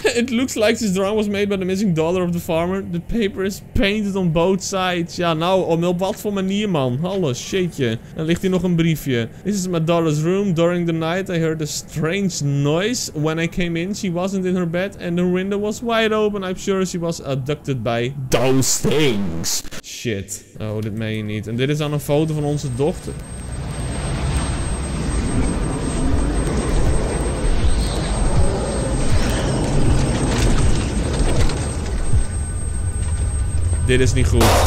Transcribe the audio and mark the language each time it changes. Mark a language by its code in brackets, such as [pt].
[en] It looks like this drawing was made by the missing daughter of the farmer. The paper is painted on both sides. [nl] Ja, nou, op wat voor manier, man? Hallo, shitje. Dan ligt hier nog een briefje. [en] This is my daughter's room. During the night, I heard a strange noise. When I came in, she wasn't in her bed and the window was wide open. I'm sure she was abducted by those things. Shit. [nl] Oh, dit meen je niet. En dit is dan een foto van onze dochter. Dit is niet goed.